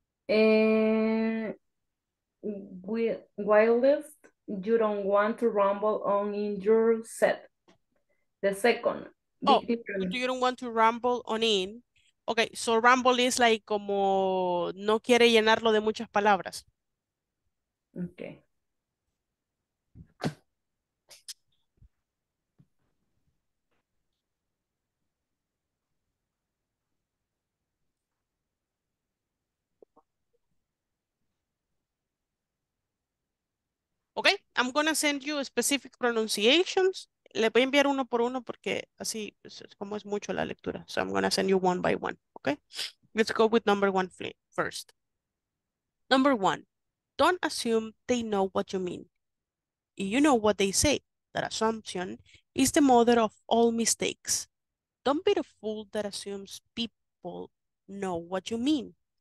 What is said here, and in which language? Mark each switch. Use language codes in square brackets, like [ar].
[en] Whilst you don't want to rumble on in your set. The second. Oh, you don't want to rumble on in. Okay, so rumble is like [es] como no quiere llenarlo de muchas palabras. [en] Okay. Okay, I'm gonna send you specific pronunciations. [es] Le voy a enviar uno por uno porque así es como es mucho la lectura. [en] So I'm gonna send you one by one, okay? Let's go with number one first. Number one, don't assume they know what you mean. You know what they say. That assumption is the mother of all mistakes. Don't be the fool that assumes people know what you mean.